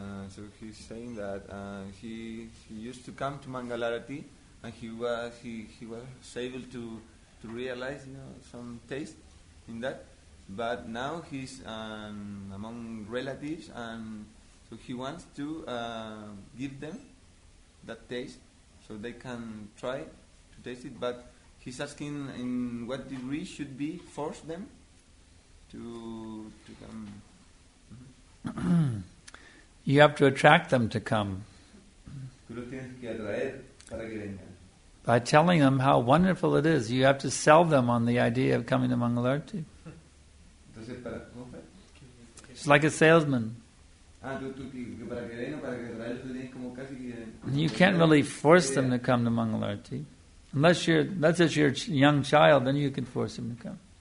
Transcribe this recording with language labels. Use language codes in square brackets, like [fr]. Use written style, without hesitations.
[en] So he's saying that he used to come to Mangalarati, and he was able to realize, you know, some taste in that, but now he's among relatives, and so he wants to give them that taste so they can try to taste it. But he's asking in what degree should be force them to come. You have to attract them to come. [es] Tú los tienes que atraer para que vengan. [en] By telling them how wonderful it is, you have to sell them on the idea of coming to Mangalarti. [es] Entonces, para, ¿cómo fue? [en] It's like a salesman. [es] Ah, tú que para que vengan, para que atraer, tú tienes como casi que, como [en] you can't really force them to come to Mangalarti. Unless it's your young child, then you can force them to come.